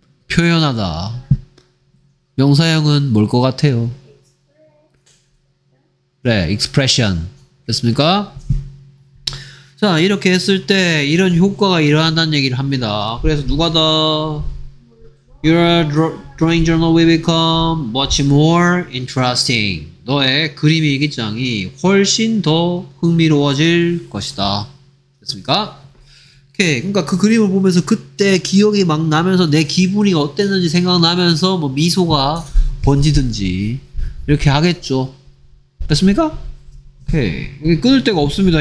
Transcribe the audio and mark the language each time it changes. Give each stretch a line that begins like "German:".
Korean: 표현하다. 명사형은 뭘 것 같아요? 그래, expression. 됐습니까? 자, 이렇게 했을 때 이런 효과가 일어난다는 얘기를 합니다. 그래서 누가 더?
English: Your drawing journal will become much more interesting.
Korean: 너의 그림 일기장이 훨씬 더 흥미로워질 것이다. 됐습니까? 오케이. 그러니까 그 그림을 보면서 그때 기억이 막 나면서 내 기분이 어땠는지 생각나면서 뭐 미소가 번지든지 이렇게 하겠죠. 됐습니까? 오케이. 끊을 데가 없습니다.